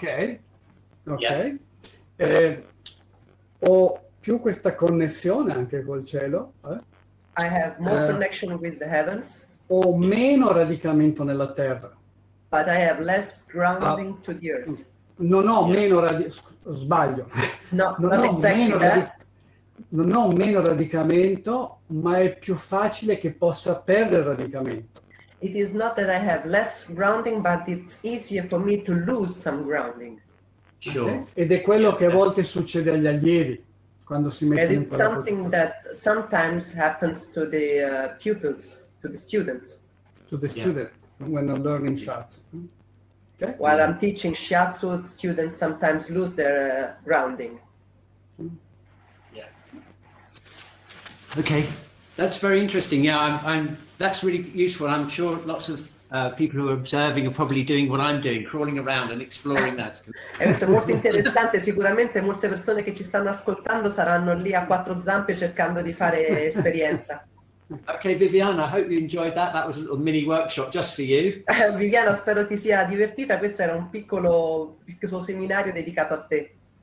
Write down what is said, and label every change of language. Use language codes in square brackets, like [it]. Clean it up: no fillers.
[en] Yes. Okay. Yeah. [it] Ho più questa connessione anche col cielo. [en] I have more connection with the heavens. [it] Ho meno radicamento nella terra. [en] But I have less grounding to the earth. [it] Non ho meno radicamento, ma è più facile che possa perdere radicamento. [en] It is not that I have less grounding, but it's easier for me to lose some grounding. Sure. Okay? [it] Ed è quello che a volte succede agli allievi quando si mettono in quella [en] posizione. It is something that sometimes happens to the pupils, to the students. To the student. Yeah. When I'm learning shiatsu. Okay. While I'm teaching shiatsu, students sometimes lose their grounding. Yeah. Okay. That's very interesting. Yeah, that's really useful. I'm sure lots of people who are observing are probably doing what I'm doing, crawling around and exploring that. [it] E questo è molto interessante. Sicuramente molte persone che ci stanno ascoltando saranno lì a quattro zampe cercando di fare esperienza. [en] Okay, Viviana, I hope you enjoyed that. That was a little mini workshop just for you. [it] Viviana, spero ti sia divertita. Questo era un piccolo seminario dedicato a te.